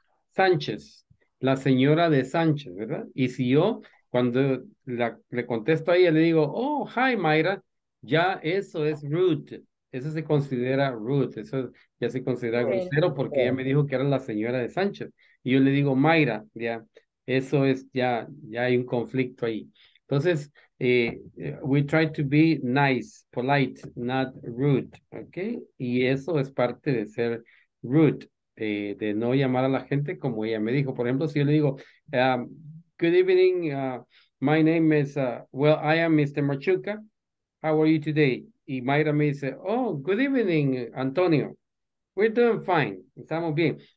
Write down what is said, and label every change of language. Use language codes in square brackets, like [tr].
[es] Sánchez, la señora de Sánchez, ¿verdad? Y si yo, cuando le contesto a ella, le digo, [en] oh, hi, [es] Mayra, ya eso es rude. Eso se considera rude, eso ya se considera grosero porque ella me dijo que era la señora de Sánchez. Y yo le digo, Mayra, ya, eso es, ya hay un conflicto ahí. Entonces, [en] we try to be nice, polite, not rude, okay? [es] Y eso es parte de ser rude, de no llamar a la gente como ella me dijo. Por ejemplo, si yo le digo, [en] good evening, my name is, well, I am Mr. Machuca, how are you today? [es] Y Mayra me dice, [en] oh, good evening, Antonio, we're doing fine, [es] estamos bien.